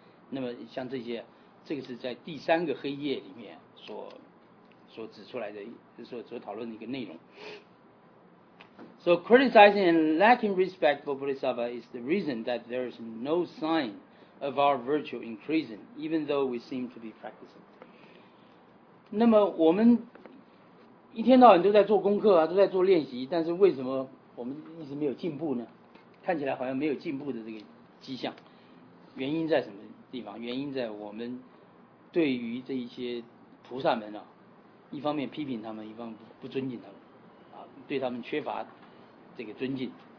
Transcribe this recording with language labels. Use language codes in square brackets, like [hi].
[zh] 那么像这些，这个是在第三个黑夜里面所指出来的，所讨论的一个内容。 [en] So criticizing and lacking respect for Bodhisattva is the reason that there is no sign of our virtue increasing, even though we seem to be practicing. [zh] 那么我们一天到晚都在做功课啊，都在做练习，但是为什么我们一直没有进步呢？看起来好像没有进步的这个迹象，原因在什么地方？原因在我们对于这一些菩萨们啊，一方面批评他们，一方面不尊敬他们啊，对他们缺乏这个尊敬。